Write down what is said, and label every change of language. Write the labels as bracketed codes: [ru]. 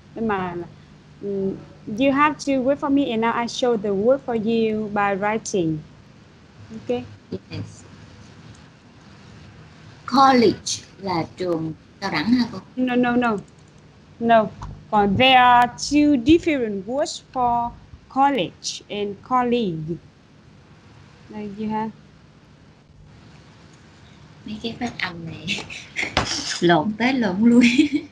[vi] Nhưng mà [en] you have to wait for me and now I show the word for you by writing. Ok. Yes. [vi] College là trường cao đẳng hả cô? [en] No, no, no. No. But there are two different words for college and colleague. Like you have. [vi] Mấy cái phát âm này lộn tới lộn lui.